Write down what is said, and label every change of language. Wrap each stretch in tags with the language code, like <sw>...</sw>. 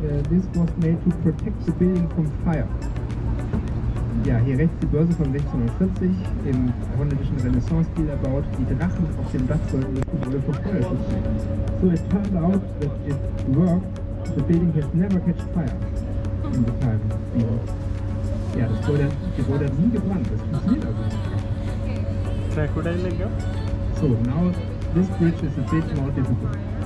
<en>This was made to protect the building from fire.</en> <de>Ja, hier rechts die Börse von 1640, im holländischen Renaissance-Stil erbaut, die Drachen auf dem Dach sollten wohl vor Feuer zu stehen.</de> <en>So it turned out that it worked, the building has never catched fire in the time.</en> <de>Ja, das Gebäude hat nie gebrannt, das funktioniert also nicht.</de> <en>So, now this bridge is a bit more difficult.</en>